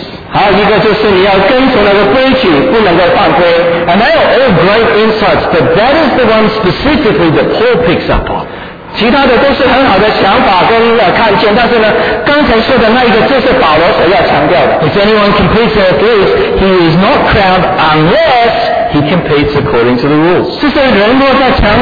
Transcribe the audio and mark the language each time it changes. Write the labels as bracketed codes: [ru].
[zh] 还有一个就是你要跟从那个规矩，不能够犯规。 [en] And they are all great insights, but that is the one specifically that Paul picks up on. [zh] 其他的都是很好的想法跟看见，但是呢，刚才说的那一个就是保罗所要强调的。 [en] If anyone competes in athletics, he is not crowned unless he competes according to the rules.